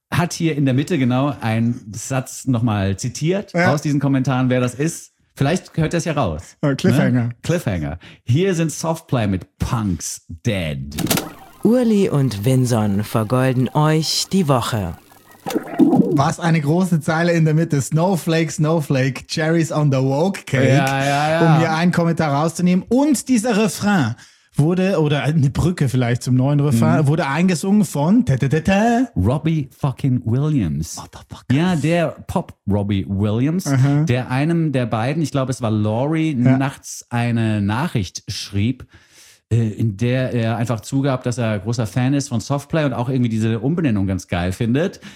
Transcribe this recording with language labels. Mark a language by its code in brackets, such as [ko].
[de] Hat hier in der Mitte genau einen Satz nochmal zitiert aus diesen Kommentaren, wer das ist. Vielleicht hört das ja raus. Cliffhanger. Ne? Cliffhanger. Hier sind Softplay mit Punks Dead. Urli und Vinson vergolden euch die Woche. Was eine große Zeile in der Mitte. [en] Snowflake, Snowflake, cherries on the woke cake. [de] Ja, ja, ja. Um hier einen Kommentar rauszunehmen. Und dieser Refrain wurde, oder eine Brücke vielleicht zum neuen Refrain, wurde eingesungen von [en] Robbie fucking Williams. Motherfucker. [de] Ja, der Pop-Robbie Williams, der einem der beiden, ich glaube es war Laurie, nachts eine Nachricht schrieb, in der er einfach zugab, dass er großer Fan ist von Softplay und auch irgendwie diese Umbenennung ganz geil findet.